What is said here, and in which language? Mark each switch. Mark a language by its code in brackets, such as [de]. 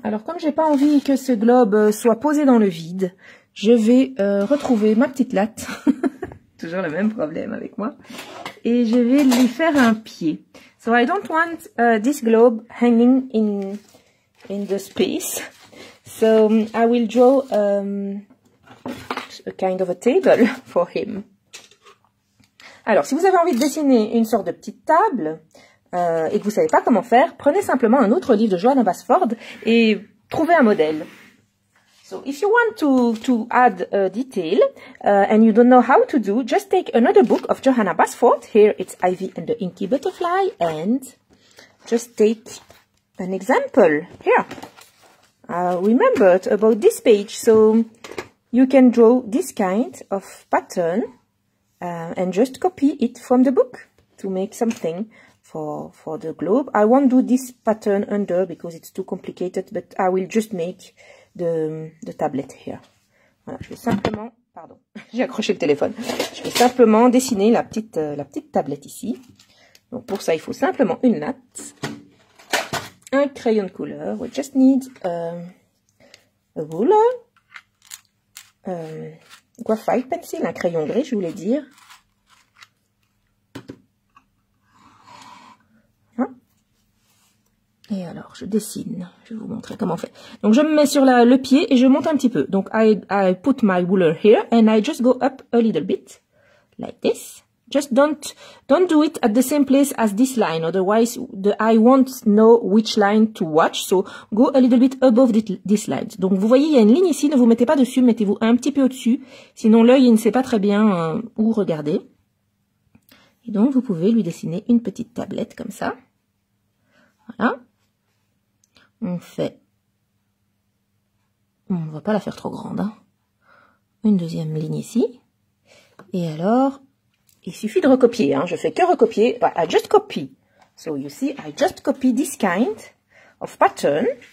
[fr] Alors, comme j'ai pas envie que ce globe soit posé dans le vide, je vais retrouver ma petite latte, toujours le même problème avec moi, et je vais lui faire un pied. [en] So I don't want this globe hanging in the space, so I will draw a kind of a table for him. [fr] Alors, si vous avez envie de dessiner une sorte de petite table, et que vous ne savez pas comment faire, prenez simplement un autre livre de Joanna Basford et trouvez un modèle. [en] So if you want to add a detail and you don't know how to do, just take another book of Joanna Basford. Here it's Ivy and the Inky Butterfly, and just take an example here. Remember about this page, so you can draw this kind of pattern and just copy it from the book to make something for the globe. I won't do this pattern under because it's too complicated, but I will just make de tablette here. [fr] Voilà, je vais simplement, pardon, j'ai accroché le téléphone. Je vais simplement dessiner la petite tablette ici. Donc pour ça, il faut simplement une latte, un crayon de couleur. [en] We just need a ruler, graphite pencil, [fr] un crayon gris, je voulais dire. Et alors, je dessine. Je vais vous montrer comment on fait. Donc, je me mets sur le pied et je monte un petit peu. [en] Donc, I put my ruler here and I just go up a little bit, like this. Just don't do it at the same place as this line. Otherwise, I won't know which line to watch. So, go a little bit above this line. [fr] Donc, vous voyez, il y a une ligne ici. Ne vous mettez pas dessus. Mettez-vous un petit peu au-dessus. Sinon, l'œil, il ne sait pas très bien où regarder. Et donc, vous pouvez lui dessiner une petite tablette comme ça. Voilà. On fait, on ne va pas la faire trop grande, hein. Une deuxième ligne ici. Et alors, il suffit de recopier, hein. Je fais que recopier. [en] But I just copy. So you see, I just copy this kind of pattern.